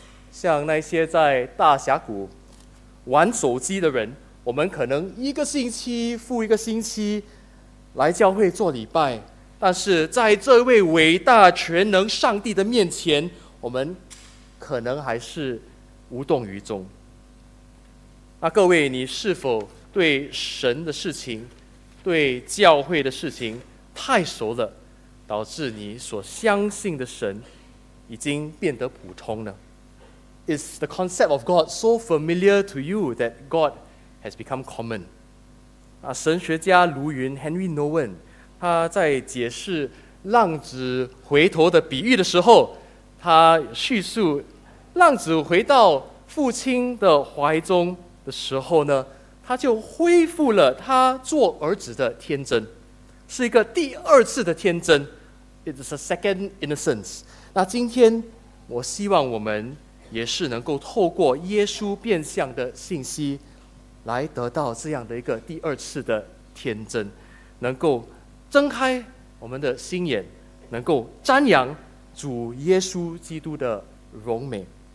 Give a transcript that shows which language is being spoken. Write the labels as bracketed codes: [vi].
[zh] 像那些在大峡谷玩手机的人，我们可能一个星期复一个星期来教会做礼拜，但是在这位伟大全能上帝的面前，我们可能还是无动于衷。那各位，你是否对神的事情，对教会的事情太熟了，导致你所相信的神已经变得普通呢？ [en] Is the concept of God so familiar to you that God has become common? [zh] 那神学家卢云 Henry Nouwen 他在解释浪子回头的比喻的时候，他叙述浪子回到父亲的怀中的时候呢，他就恢复了他做儿子的天真，是一个第二次的天真。 [en] It is a second innocence. [zh] 那今天我希望我们也是能够透过耶稣变相的信息来得到这样的一个第二次的天真，能够睁开我们的心眼，能够瞻仰主耶稣基督的荣美。